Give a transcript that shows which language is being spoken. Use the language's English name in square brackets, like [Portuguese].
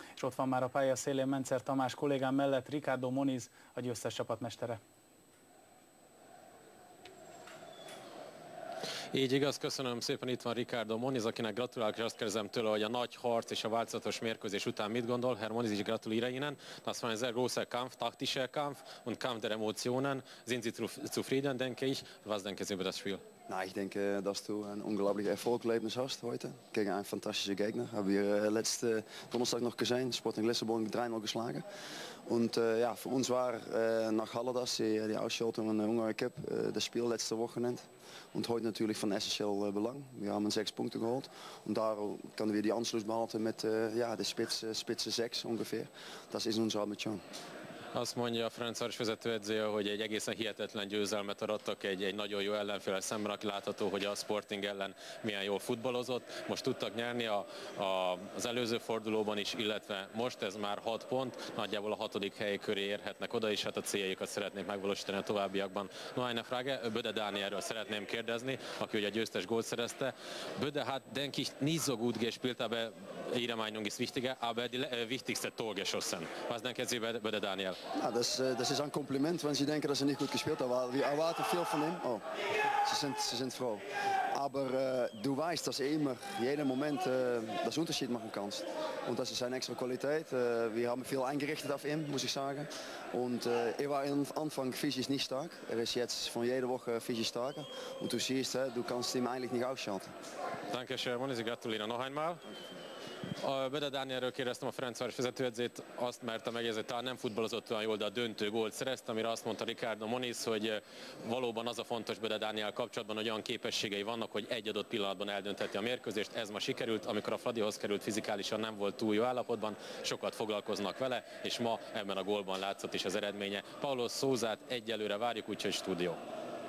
[Hungarian] És ott van már a pálya szélén Mencer Tamás kollégám mellett, Ricardo Moniz, a győztes csapatmestere. Így igaz, köszönöm szépen, itt van Ricardo Moniz, akinek gratulálok, és azt kérdezem tőle, hogy a nagy harc és a változatos mérkőzés után mit gondol. [German] Herr Moniz, is gratulíre innen. Das war ein sehr großer Kampf, taktischer Kampf und Kampf der Emotionen. Sind Sie zufrieden, denke ich? Was denken Sie über das Spiel? Na, ich denke, dass du ein unglaublich Erfolgserlebnis hast heute gegen einen fantastischen Gegner. Haben wir letzte Donnerstag noch gesehen, Sporting Lissabon 3-0 geschlagen. Und ja, für uns war nach Halladas, die Ausschaltung in der Ungarn Cup, das Spiel letzte Woche nennt. Und heute natürlich von essentiell Belang. Wir haben 6 Punkte geholt und darum können wir die Anschluss behalten mit ja, der Spitze 6 ungefähr. Das ist unsere Ambition. [Hungarian] Azt mondja a Ferencváros vezetőedzője, hogy egy egészen hihetetlen győzelmet arattak egy nagyon jó ellenfélel szemben, aki látható, hogy a Sporting ellen milyen jól futballozott. Most tudtak nyerni az előző fordulóban is, illetve most ez már 6 pont, nagyjából a 6. hely köré érhetnek oda is, hát a céljaikat szeretnék megvalósítani a továbbiakban. [German] No, eine Frage, [Hungarian] Böde Dánielről szeretném kérdezni, aki ugye a győztes gólt szerezte. [German] Böde, hát denk ich nicht so gut gespielt, aber Ihre Meinung ist wichtige, aber die wichtigste Tor geschossen. Was denken Sie, Böde Dánielről? Ja, das ist ein Kompliment, wenn Sie denken, dass er nicht gut gespielt hat. Wir erwarten viel von ihm. Oh, sie sind froh. Aber du weißt, dass er immer, jeden Moment, das Unterschied machen kannst. Und das ist seine extra Qualität. Wir haben viel eingerichtet auf ihn, muss ich sagen. Und er war am Anfang physisch nicht stark. Er ist jetzt von jeder Woche physisch stark. Und du siehst, du kannst ihn eigentlich nicht ausschalten. Danke schön, Moniz, gratuliere noch einmal. [Hungarian] A Böde Dánielről kérdeztem a Ferencváros vezetőedzőt, azt merte megjegyezni, talán nem futballozott olyan jól, de a döntő gólt szerezte, amire azt mondta Ricardo Moniz, hogy valóban az a fontos Böde Dániel kapcsolatban, hogy olyan képességei vannak, hogy egy adott pillanatban eldöntheti a mérkőzést. Ez ma sikerült, amikor a Fradihoz került, fizikálisan nem volt túl jó állapotban, sokat foglalkoznak vele, és ma ebben a gólban látszott is az eredménye. Paulo Sousát egyelőre várjuk, úgyhogy stúdió.